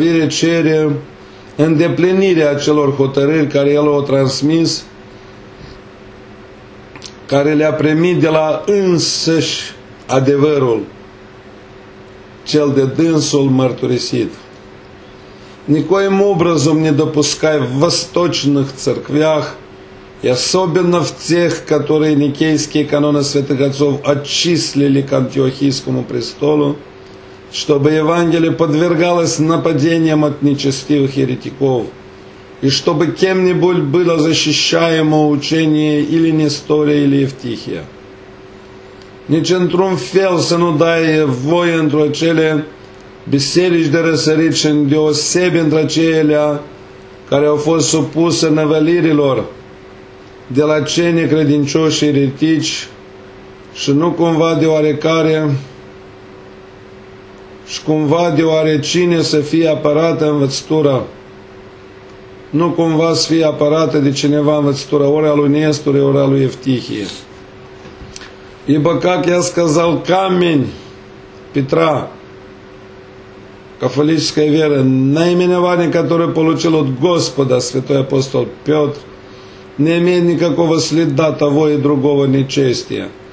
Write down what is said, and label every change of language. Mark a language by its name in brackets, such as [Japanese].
[Romanian] cere îndeplinirea acelor hotărâri care el o transmis, care le-a primit de la însăși adevărul, cel de dânsul mărturisit. [Russian] Nicoim образом не допускай в восточных церквях, и особенно в тех, которые никейские каноны святых отцов отчислили к антиохийскому престолу, чтобы Евангелие подвергалось нападениям от нечестивых еретиков, и чтобы кем-нибудь было защищаемо учение или Нестория, или Евтихия. [Romanian] Нич într-un fel să nu dai voie într-o cele biserici de răsărit și îndeosebi între acelea care au fost supuse năvălirilor de la cei necredincioși și eretici și nu cumva de oarecare și cumva de oarecine să fie apărată învățătura. Nu cumva să fie apărată de cineva învățătura ori a lui Nestor, ori a lui Evtihie. [Russian] Ibă, как я сказал, камень Петра, кафолическая вера, наименование, которое получил от Господа святой апостол Петр, не имеет никакого следа того и другого нечестия.